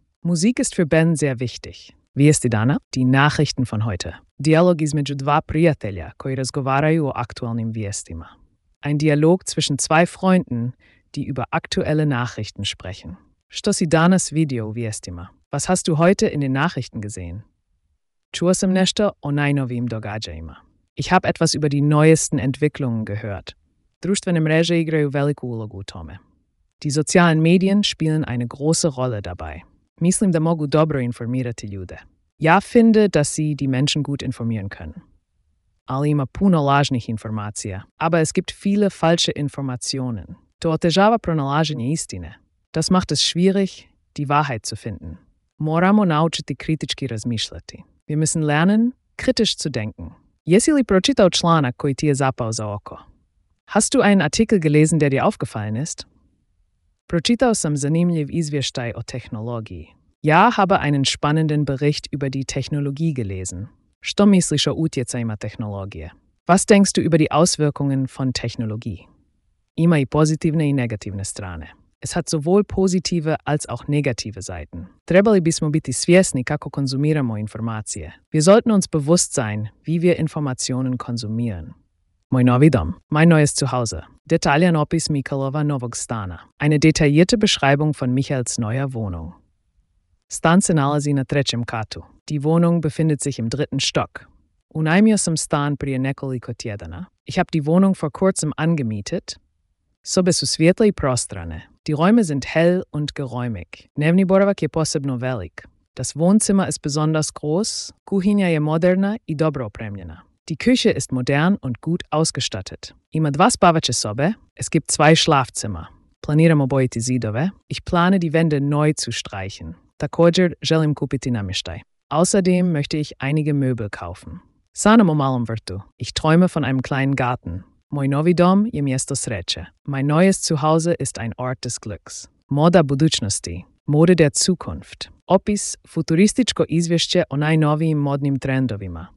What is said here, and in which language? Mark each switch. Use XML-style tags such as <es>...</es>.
<de>Musik ist für Ben sehr wichtig. Wie ist die Dana? Die Nachrichten von heute.</de> <hr>Dialog između dva prijatelja koji razgovaraju o aktualnim vijestima.</hr> <de>Ein Dialog zwischen zwei Freunden, die über aktuelle Nachrichten sprechen.</de> <hr>Što si danas vidio u vijestima?</hr> <de>Was hast du heute in den Nachrichten gesehen?</de> <hr>Čuo sam nešto o najnovijim događajima.</hr> <de>Ich habe etwas über die neuesten Entwicklungen gehört.</de> <hr>Društvene mreže igraju veliku ulogu u tome.</hr> <de>Die sozialen Medien spielen eine große Rolle dabei.</de> <hr>Mislim da mogu dobro informirati ljude.</hr> <de>Ja finde, dass sie die Menschen gut informieren können.</de> <hr>Ali ima puno lažnih informacija.</hr> <de>Aber es gibt viele falsche Informationen.</de> <hr>To otežava pronalaženje istine.</hr> <de>Das macht es schwierig, die Wahrheit zu finden.</de> <hr>Moramo naučiti kritički razmišljati.</hr> <de>Wir müssen lernen, kritisch zu denken.</de> <hr>Jesi li pročitao članak koji ti je zapao za oko?</hr> <de>Hast du einen Artikel gelesen, der dir aufgefallen ist?</de> <hr>Pročitao sam zanimljiv izvještaj o tehnologiji.</hr> <de>Ja habe einen spannenden Bericht über die Technologie gelesen.</de> <hr>Što misliš o utjecajima tehnologije?</hr> <de>Was denkst du über die Auswirkungen von Technologie?</de> <hr>Ima i pozitivne i negativne strane.</hr> <de>Es hat sowohl positive als auch negative Seiten.</de> <hr>Trebali bismo biti svjesni kako konsumiramo informacije.</hr> <de>Wir sollten uns bewusst sein, wie wir Informationen konsumieren.</de> <hr>Moj novi dom.</hr> <de>Mein neues Zuhause.</de> <hr>Detaljan opis Mikalova novog stana.</hr> <de>Eine detaillierte Beschreibung von Michaels neuer Wohnung.</de> <hr>Stan se nalazi na trećem katu.</hr> <de>Die Wohnung befindet sich im dritten Stock.</de> <hr>Unajmio sam stan prije nekoliko tjedana.</hr> <de>Ich habe die Wohnung vor kurzem angemietet.</de> <hr>Sobe su svjetle i prostrane.</hr> <de>Die Räume sind hell und geräumig.</de> <hr>Dnevni boravak je posebno velik.</hr> <de>Das Wohnzimmer ist besonders groß.</de> <hr>Kuhinja je moderna i dobro opremljena.</hr> <de>Die Küche ist modern und gut ausgestattet.</de> <hr>Ima dva spavače sobe.</hr> <de>Es gibt zwei Schlafzimmer.</de> <hr>Planiram obojiti zidove.</hr> <de>Ich plane die Wände neu zu streichen.</de> <hr>Također želim kupiti namještaj.</hr> <de>Außerdem möchte ich einige Möbel kaufen.</de> <hr>Sanam o malom vrtu.</hr> <de>Ich träume von einem kleinen Garten.</de> <hr>Moj novi dom je mjesto sreće.</hr> <de>Mein neues Zuhause ist ein Ort des Glücks.</de> <hr>Moda budućnosti.</hr> <de>Mode der Zukunft.</de> <hr>Opis, futurističko izvješće o najnovijim modnim trendovima.</hr>